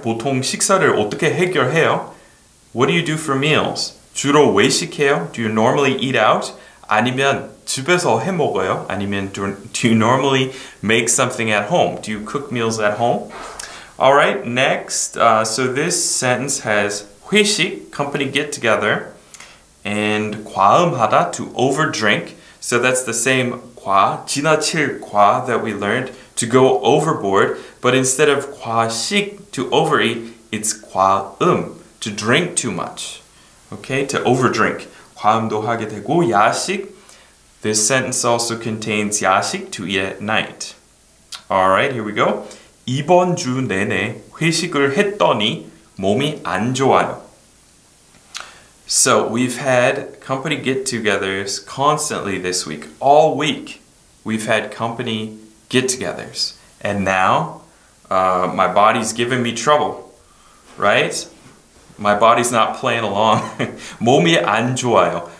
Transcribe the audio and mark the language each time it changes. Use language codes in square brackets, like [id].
[ko] 보통 식사를 어떻게 해결해요? [en] What do you do for meals? [ko] 주로 외식해요? [en] Do you normally eat out? [ko] 아니면 집에서 해먹어요? 아니면 [en] do you normally make something at home? Do you cook meals at home? All right, next. So this sentence has 회식, company get together, and 과음하다, to overdrink. So that's the same 과, 지나칠 과 that we learned, to go overboard. But instead of 과식, to overeat, it's 과음, to drink too much. Okay, to overdrink. [ko] 과음도 하게 되고, [en] 야식. This sentence also contains 야식, to eat at night. Alright, here we go. [ko] 이번 주 내내 회식을 했더니 몸이 안 좋아요. [en] So we've had company get-togethers constantly this week. All week, we've had company get-togethers. And now, my body's giving me trouble, right? My body's not playing along. [ko] 몸이 안 좋아요.